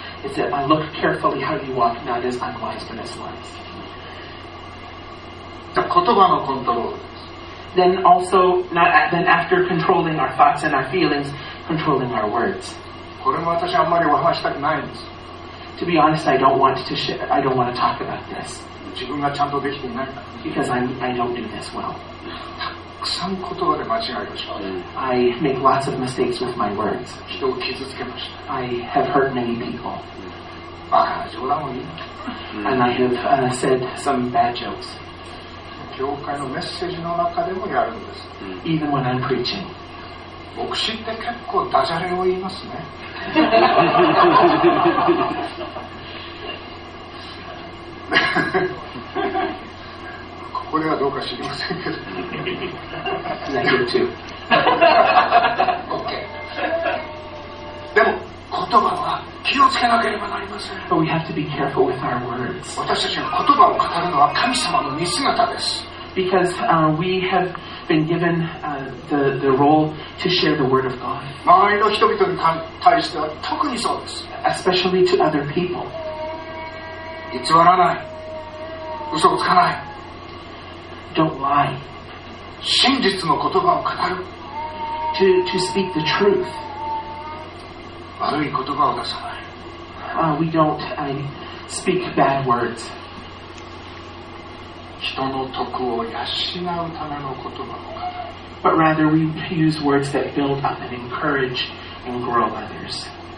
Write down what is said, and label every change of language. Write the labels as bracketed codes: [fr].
[en] It says, "Look carefully how you walk, not as unwise but as wise." [ja] 言葉のコントロール。 [en] Then also then after controlling our thoughts and our feelings, controlling our words. [ja] これも私はあんまりお話したくないんです。 [en] To be honest, I don't want to talk about this. [ja] 自分がちゃんとできていないか? [en] Because I don't do this well. [ja] たくさん言葉で間違いをした。 [en] I make lots of mistakes with my words. [ja] 人を傷つけました。 [en] I have hurt many people. [ja] バカな冗談を言う。 [en] And I have said some bad jokes. [ja] 教会のメッセージの中でもやるんです。 [en] Even when I'm preaching. [ja] 牧師って結構ダジャレを言いますね。ここではどうか知りませんけど。 [en] Thank you too. Okay. [ja] でも言葉は気をつけなければなりません。 [en] But we have to be careful with our words. [ja] 私たちが言葉を語るのは神様の御姿です。 [en] Because we have been given the role to share the word of God. [ja] 周りの人々に対しては特にそうです。 [en] Especially to other people. [ja] 偽らない。嘘をつかない。 [en] Don't lie. [ja] 真実の言葉を語る。 [en] To speak the truth. [ja] 悪い言葉を出さない。 [en] We don't speak bad words. [ja] 人の徳を養うための言葉を語る。 [en] But rather we use words that build up and encourage and grow others.